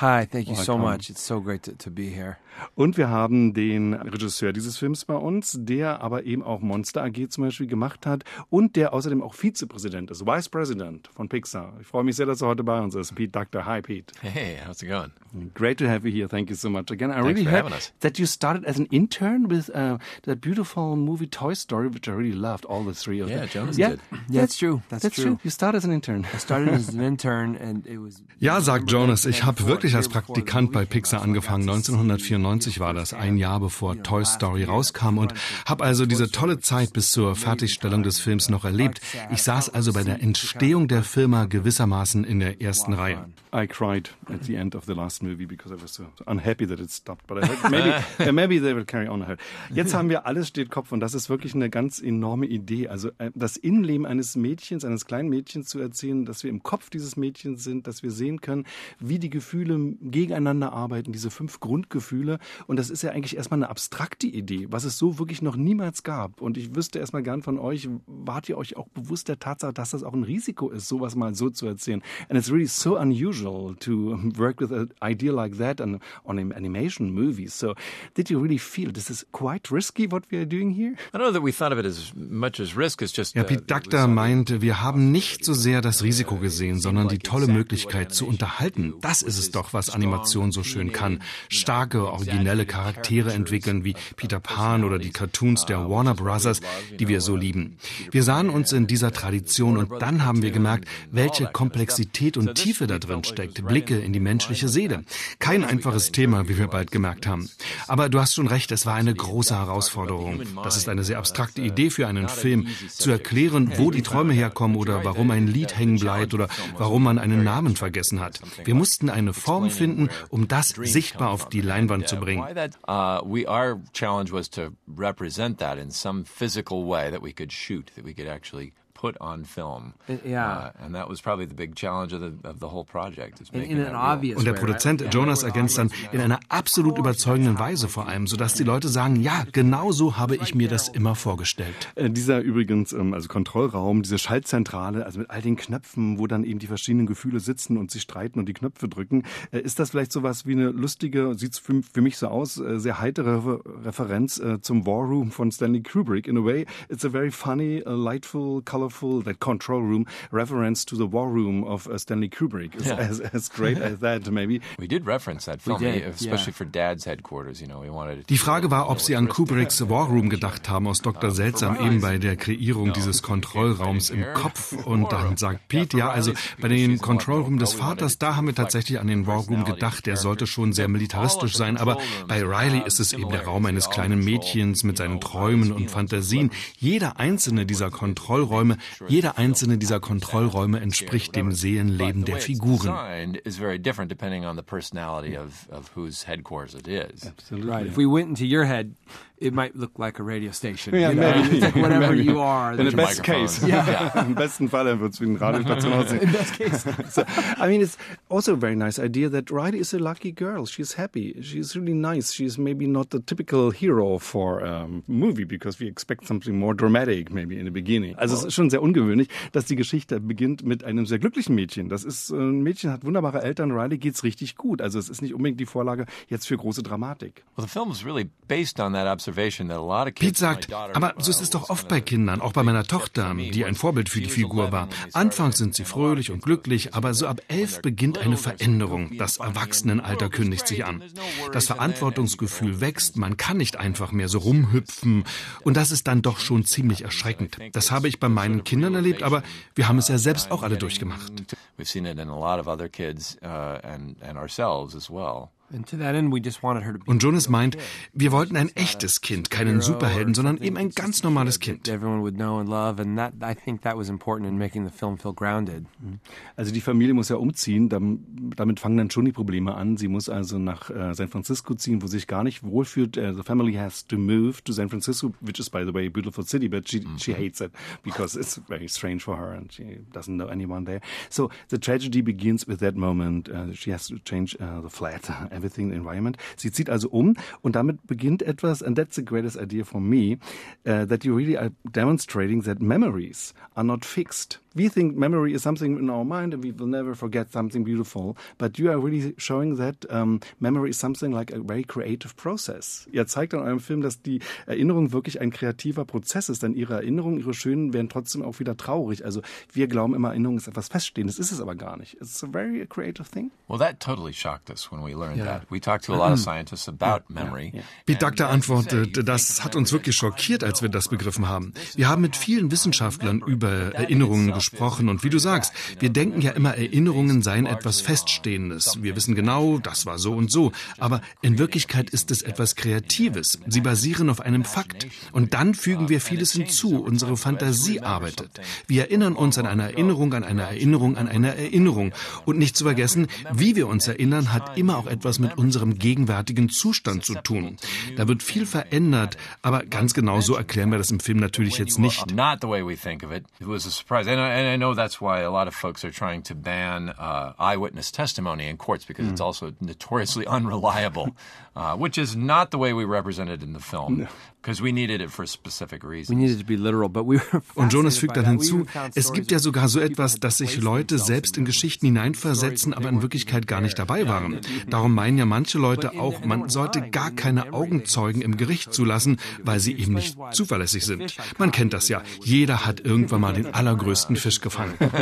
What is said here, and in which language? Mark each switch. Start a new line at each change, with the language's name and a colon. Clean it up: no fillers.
English: Hi, thank you so much. It's so great to be here.
German: Und wir haben den Regisseur dieses Films bei uns, der aber eben auch Monster AG zum Beispiel gemacht hat und der außerdem auch Vizepräsident ist, Vice President von Pixar. Ich freue mich sehr, dass er heute bei uns ist.
English: Pete Docter. Hi, Pete. Hey, how's it going? Great to have you here. Thank you so much again. Thanks for having us. That you started as an intern with that beautiful movie Toy Story, which I really loved, all the three of them. Yeah, Jonas did. Yeah, that's true. You started as an intern. I started as an intern and it was...
German: Ja, sagt Jonas, ich habe wirklich als Praktikant bei Pixar angefangen. 1994 war das, ein Jahr bevor Toy Story rauskam und habe also diese tolle Zeit bis zur Fertigstellung des Films noch erlebt. Ich saß also bei der Entstehung der Firma gewissermaßen in der ersten Reihe. I cried at the end of the last movie because I was so unhappy that it stopped. But I heard maybe they will carry on. Jetzt haben wir Alles steht Kopf und das ist wirklich eine ganz enorme Idee. Also das Innenleben eines Mädchens, eines kleinen Mädchens zu erzählen, dass wir im Kopf dieses Mädchens sind, dass wir sehen können, wie die Gefühle gegeneinander arbeiten, diese fünf Grundgefühle. Und das ist ja eigentlich erstmal eine abstrakte Idee, was es so wirklich noch niemals gab. Und ich wüsste erstmal gern von euch, wart ihr euch auch bewusst der Tatsache, dass das auch ein Risiko ist, sowas mal so zu erzählen?
English: And it's really so unusual to work with an idea like that on an animation movie. So did you really feel this is quite risky, what we are doing here? I don't know that we thought of it as much as risk. It's just,
German: ja, Pete Docter meinte, wir haben nicht so sehr das Risiko gesehen, sondern die tolle Möglichkeit zu unterhalten. Das ist es doch, was Animation so schön kann. Starke, originelle Charaktere entwickeln, wie Peter Pan oder die Cartoons der Warner Brothers, die wir so lieben. Wir sahen uns in dieser Tradition und dann haben wir gemerkt, welche Komplexität und Tiefe da drin steckt. Blicke in die menschliche Seele. Kein einfaches Thema, wie wir bald gemerkt haben. Aber du hast schon recht, es war eine große Herausforderung. Das ist eine sehr abstrakte Idee für einen Film. Zu erklären, wo die Träume herkommen oder warum ein Lied hängen bleibt oder warum man einen Namen vergessen hat. Wir mussten eine Form finden, um das sichtbar auf die Leinwand zu bringen.
English: Our challenge was to represent that in some physical way that we could shoot, that we could actually put on film. Yeah. And that was probably the big challenge of the whole project.
German: Und der Produzent Jonas ergänzt dann in einer absolut überzeugenden Weise vor allem, sodass die Leute sagen, ja, genau so habe ich mir das immer vorgestellt. Dieser übrigens, also Kontrollraum, diese Schaltzentrale, also mit all den Knöpfen, wo dann eben die verschiedenen Gefühle sitzen und sie streiten und die Knöpfe drücken, ist das vielleicht sowas wie eine lustige, sieht für mich so aus, sehr heitere Referenz zum War Room von Stanley Kubrick.
English: In a way, it's a very funny, lightful, colorful, that control room reference to the War Room of Stanley Kubrick. As great as that, maybe. We did reference that film, especially for Dad's headquarters. You know, we wanted it.
German: Die Frage war, ob sie an Kubricks War Room gedacht haben aus Dr. Seltsam, eben bei der Kreierung dieses Kontrollraums im Kopf. Und dann sagt Pete, ja, also bei dem Control Room des Vaters, da haben wir tatsächlich an den War Room gedacht. Der sollte schon sehr militaristisch sein, aber bei Riley ist es eben der Raum eines kleinen Mädchens mit seinen Träumen und Fantasien. Jeder einzelne dieser Kontrollräume, jeder einzelne dieser Kontrollräume entspricht dem Seelenleben der Figuren.
English: Is very different depending on the personality of whose headquarters it is. Absolutely. Right. If we went into your head, it might look like a radio station. Yeah, maybe. It's like whatever maybe. You are. In the best case.
German: Im besten Fall wird es wie ein Radiostation aussehen.
English: In best case. I mean, it's also a very nice idea that Riley is a lucky girl. She's happy. She's really nice. She's maybe not the typical hero for a movie because we expect something more dramatic maybe in the beginning.
German: Also es ist schon sehr ungewöhnlich, dass die Geschichte beginnt mit einem sehr glücklichen Mädchen. Das ist ein Mädchen, hat wunderbare Eltern. Riley geht's richtig gut. Also es ist nicht unbedingt die Vorlage jetzt für große Dramatik.
English: Well, the film is really based on that absolutely.
German: Pete sagt, aber so ist es doch oft bei Kindern, auch bei meiner Tochter, die ein Vorbild für die Figur war. Anfangs sind sie fröhlich und glücklich, aber so ab 11 beginnt eine Veränderung. Das Erwachsenenalter kündigt sich an. Das Verantwortungsgefühl wächst, man kann nicht einfach mehr so rumhüpfen. Und das ist dann doch schon ziemlich erschreckend. Das habe ich bei meinen Kindern erlebt, aber wir haben es ja selbst auch alle durchgemacht.
English: We've seen it in a lot of other kids and ourselves as well.
German: Und Jonas meint, wir wollten ein echtes Kind, keinen Superhelden, sondern eben ein ganz normales Kind. Also die Familie muss ja umziehen, damit fangen dann schon die Probleme an. Sie muss also nach San Francisco ziehen, wo sie sich gar nicht wohlfühlt.
English: The family has to move to San Francisco, which is, by the way, a beautiful city, but she hates it because it's very strange for her and she doesn't know anyone there. So the tragedy begins with that moment. She has to change the flat. Everything, the environment.
German: Sie zieht also um und damit beginnt etwas,
English: and that's the greatest idea for me, that you really are demonstrating that memories are not fixed. We think memory is something in our mind and we will never forget something beautiful, but you are really showing that memory is something like a very creative process.
German: Ihr zeigt in eurem Film, dass die Erinnerung wirklich ein kreativer Prozess ist, denn ihre Erinnerungen, ihre schönen, werden trotzdem auch wieder traurig. Also wir glauben immer, Erinnerung ist etwas Feststehendes, ist es aber gar nicht.
English: It's a very creative thing. Well, that totally shocked us when we learned that. We talked to a lot of scientists about memory.
German: Wie Doktor antwortet, das hat uns wirklich schockiert, als wir das begriffen haben. Wir haben mit vielen Wissenschaftlern über Erinnerungen gesprochen. Und wie du sagst, wir denken ja immer, Erinnerungen seien etwas Feststehendes. Wir wissen genau, das war so und so. Aber in Wirklichkeit ist es etwas Kreatives. Sie basieren auf einem Fakt. Und dann fügen wir vieles hinzu. Unsere Fantasie arbeitet. Wir erinnern uns an eine Erinnerung, an eine Erinnerung, an eine Erinnerung. Und nicht zu vergessen, wie wir uns erinnern, hat immer auch etwas mit unserem gegenwärtigen Zustand zu tun. Da wird viel verändert, aber ganz genau so erklären wir das im Film natürlich jetzt nicht.
English: And I know that's why a lot of folks are trying to ban eyewitness testimony in courts because it's also notoriously unreliable, which is not the way we represented in the film. No. Because we needed it for specific reasons. We needed to be literal, but we were fascinated.
German: Und Jonas fügt dann hinzu, es gibt ja sogar so etwas, dass sich Leute selbst in Geschichten hineinversetzen, aber in Wirklichkeit gar nicht dabei waren. Darum meinen ja manche Leute auch, man sollte gar keine Augenzeugen im Gericht zulassen, weil sie eben nicht zuverlässig sind. Man kennt das ja. Jeder hat irgendwann mal den allergrößten Fisch gefangen.